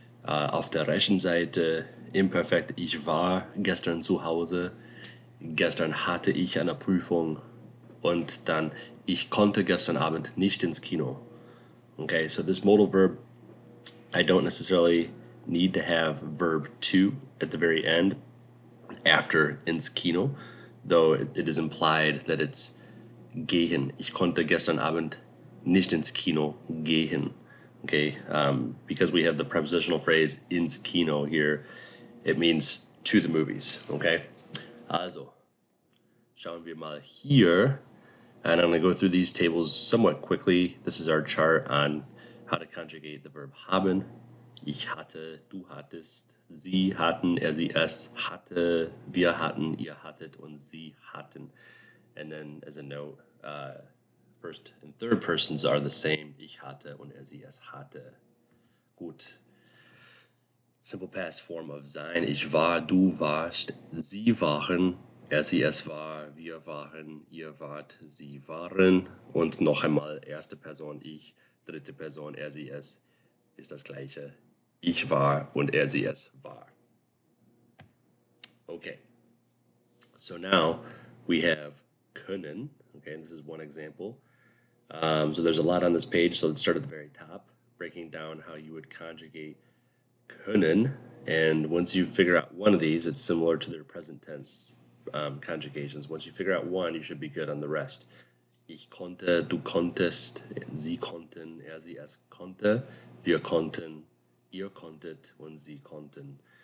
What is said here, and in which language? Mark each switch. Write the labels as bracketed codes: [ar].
[de] Auf der rechten Seite, imperfekt, ich war gestern zu Hause. Gestern hatte ich eine Prüfung. Und dann, ich konnte gestern Abend nicht ins Kino. [en] Okay, so this modal verb, I don't necessarily need to have verb 2 at the very end after [de] ins Kino, [en] though it is implied that it's gehen. [de] Ich konnte gestern Abend nicht ins Kino gehen. [en] Okay, because we have the prepositional phrase [de] ins Kino [en] here, it means to the movies. [de] Okay, also, schauen wir mal hier. [en] And I'm going to go through these tables somewhat quickly. This is our chart on how to conjugate the verb haben. [de] Ich hatte, du hattest, sie hatten, er, sie, es hatte, wir hatten, ihr hattet, und sie hatten. [en] And then, as a note, first and third persons are the same. [de] Ich hatte und er, sie, es hatte. Gut. [en] Simple past form of sein. [de] Ich war, du warst, sie waren, er, sie, es war, wir waren, ihr wart, sie waren. Und noch einmal, erste Person, ich, dritte Person, er, sie, es, ist das gleiche. Ich war und er, sie, es war. Okay. [en] So now we have können. Okay, and this is one example. So there's a lot on this page, so let's start at the very top, breaking down how you would conjugate können. And once you figure out one of these, it's similar to their present tense conjugations. Once you figure out one, you should be good on the rest. [de] Ich konnte, du konntest, sie konnten, er, sie, es konnte, wir konnten, ihr konntet, und sie konnten.